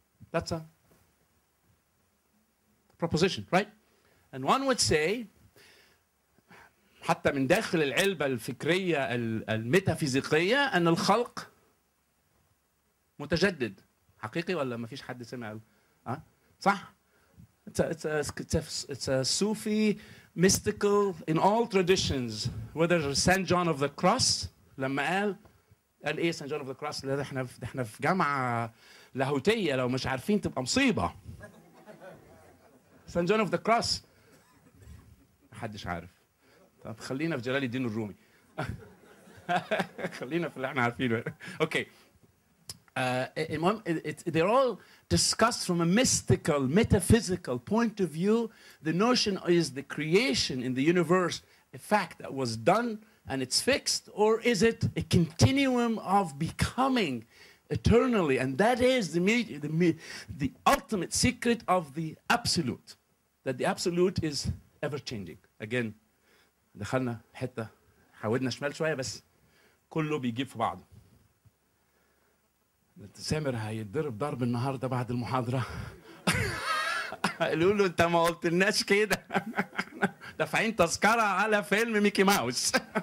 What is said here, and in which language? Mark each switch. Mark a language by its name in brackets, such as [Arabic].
[English] That's a proposition, right? And one would say, [Arabic] حتى من داخل العلبة الفكرية الميتافيزيقية أن الخلق متجدد. حقيقي ولا ما فيش حد سمع؟ صح؟ [English] It's a Sufi, mystical, in all traditions, whether it's St. [Arabic] John of the Cross, لما قال قال ايه سان جون اوف ذا كروس ده احنا في جامعه لاهوتيه لو مش عارفين تبقى مصيبه سان جون اوف ذا كروس محدش عارف طب خلينا في جلال الدين الرومي خلينا في اللي احنا عارفينه اوكي المهم [English] they're all discussed from a mystical metaphysical point of view the notion is the creation in the universe a fact that was done And it's fixed, or is it a continuum of becoming eternally? And that is the ultimate secret of the absolute, that the absolute is ever changing. Again, [Arabic] دخلنا حتة حاولنا شمال شوية بس كله بيجي في بعض. سامر هيتضرب ضرب النهاردة بعد المحاضرة. قالوا له أنت ما قلتلناش كده. دافعين تذكرة على فيلم ميكي ماوس.